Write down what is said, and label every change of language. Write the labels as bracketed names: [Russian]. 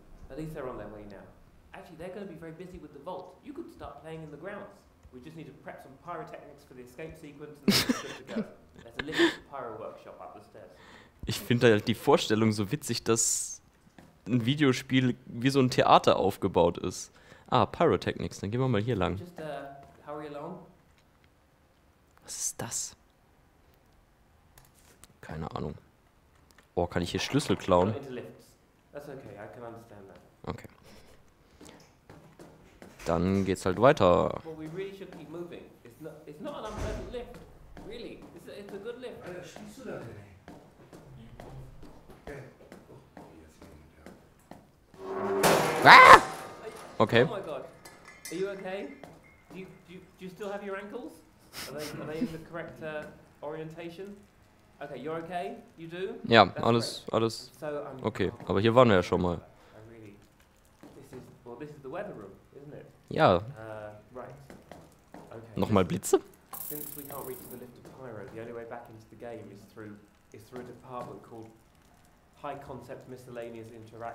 [English] At least they're on their way now. Actually, they're going to be very busy with the vault. You could start playing in the grounds. We just need to prep some pyrotechnics for the escape sequence and then we're good to go. There's a little pyro workshop up the stairs. [German] Ich finde halt die Vorstellung so witzig, dass ein Videospiel wie so ein Theater aufgebaut ist. Ah, Pyrotechnics, dann gehen wir mal hier lang. [English] Just, hurry along. [German] Was ist das? Keine Ahnung. Oh, kann ich hier Schlüssel klauen? [English] That's okay, I can understand that. Okay. [German] Dann geht's halt weiter. [English] Well, we really should keep moving. It's not an unpleasant lift. Really, it's a good lift. [German] Alter, schließt du da denn? Ah! Okay. [English] Oh my god. Are you okay? Do you still have your ankles? Are they in the correct orientation? Okay, you're okay? You do? [German] Ja, alles. So, okay, aber hier waren wir ja schon mal. [English] Really, this is the weather room, isn't it? [German] Ja. [English] Right. [German] Okay. Nochmal Blitze? [English] Since we can't reach the lift of Pyro, the only way back into the game is through a department called High Concept Miscellaneous Interaction.